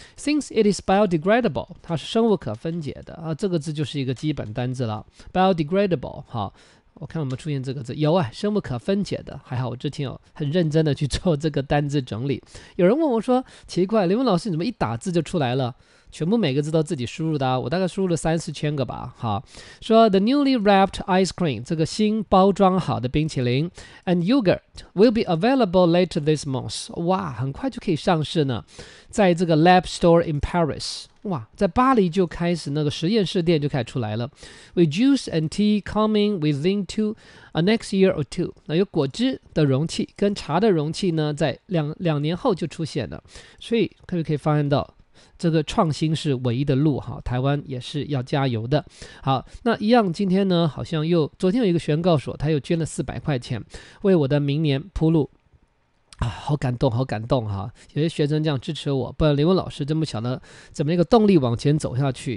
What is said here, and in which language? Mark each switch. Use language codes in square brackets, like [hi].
[en] since it is biodegradable， [zh] 它是生物可分解的，这个字就是一个基本单字了， biodegradable， 好，我看有没有出现这个字，有啊，深不可分解的。还好我之前有很认真的去做这个单字整理。有人问我说，奇怪，林威老师你怎么一打字就出来了，全部每个字都自己输入的、啊、我大概输入了三四千个吧。 [en] 好，说 The newly wrapped ice cream, [zh] 这个新包装好的冰淇淋 [en] and yogurt will be available later this month. [zh] 哇，很快就可以上市呢，在这个 [en] lab store in Paris。 [zh] 哇，在巴黎就开始那个实验室店就开始出来了。 [en] With juice and tea coming within next year or two. [zh] 那有果汁的容器跟茶的容器呢，在两年后就出现了。所以可不可以发现到这个创新是唯一的路，台湾也是要加油的。好，那一样今天呢，好像又昨天有一个宣告说他又捐了400块钱为我的明年铺路、啊、好感动好感动、啊、有些学生这样支持我，不然林威老师这么小的怎么一个动力往前走下去。